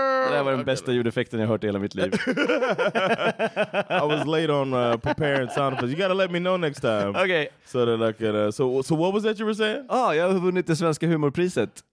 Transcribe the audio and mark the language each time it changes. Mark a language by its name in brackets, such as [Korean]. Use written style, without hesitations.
[Swedish] Det var den bästa ljudeffekten jag hört i hela mitt liv. [English] I was late on preparing sound effects. You gotta let me know next time. Okay. So that I can. So what was that you were saying? [Swedish] Ah, jag har vunnit det svenska humorpriset.